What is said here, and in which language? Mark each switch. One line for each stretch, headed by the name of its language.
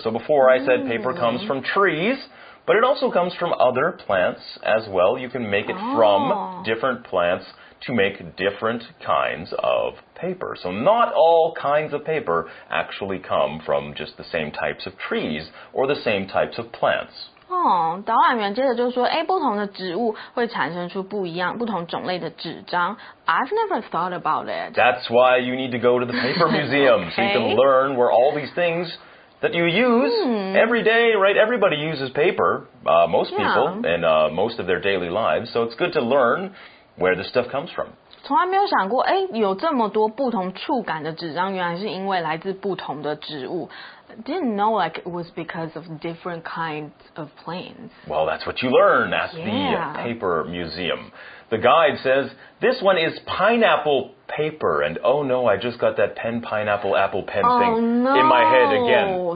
English: So before I said paper comes from trees, but it also comes from other plants as well. You can make it from different plants to make different kinds of paper. So not all kinds of paper actually come from just the same types of trees or the same types of plants.
Chinese: 导览员接着就说，不同的植物会产生出不一样、不同种类的纸张。
English: I've never thought about it. That's why you need to go to the paper museum. Okay. So you can learn where all these things that you use every day, right? Everybody uses paper, most people, in most of their daily lives. So it's good to learn where this stuff comes from.
Chinese: 从来没有想过，有这么多不同触感的纸张，原来是因为来自不同的植物。
English: Didn't know like it was because of different kinds of plants. Well, that's what you learn at the paper museum. The guide says, this one is pineapple paper. And oh no, I just got that pen pineapple apple pen thing in my head again.